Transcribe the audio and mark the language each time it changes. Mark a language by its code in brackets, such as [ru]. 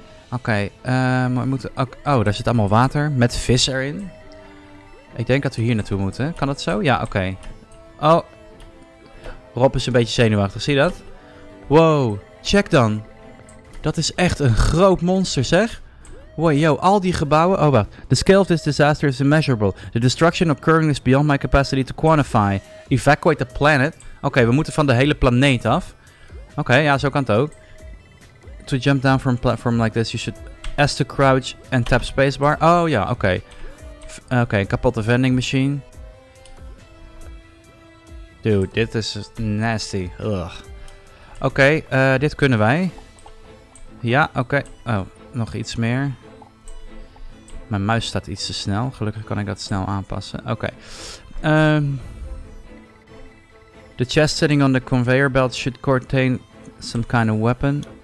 [nl] Oké, we moeten... Oh, daar zit allemaal water met vis erin. Ik denk dat we hier naartoe moeten. Kan dat zo? Ja, oké. Okay. Oh. Rob is een beetje zenuwachtig, zie je dat? Wow, check dan. Dat is echt een groot monster, zeg. Wow, yo, al die gebouwen... Oh, wacht. [en] The scale of this disaster is immeasurable. The destruction occurring is beyond my capacity to quantify. Evacuate the planet. [nl] Oké, we moeten van de hele planeet af. Oké, ja, zo kan het ook. [en] To jump down from a platform like this, you should S to crouch and tap spacebar. [nl] Oh, ja, oké. Oké, kapotte vending machine. Dude, dit is nasty. Ugh. Oké, dit kunnen wij. Ja, oké. Oh, nog iets meer. Mijn muis staat iets te snel. Gelukkig kan ik dat snel aanpassen. Oké. Okay. [en] The chest sitting on the conveyor belt should contain some kind of weapon.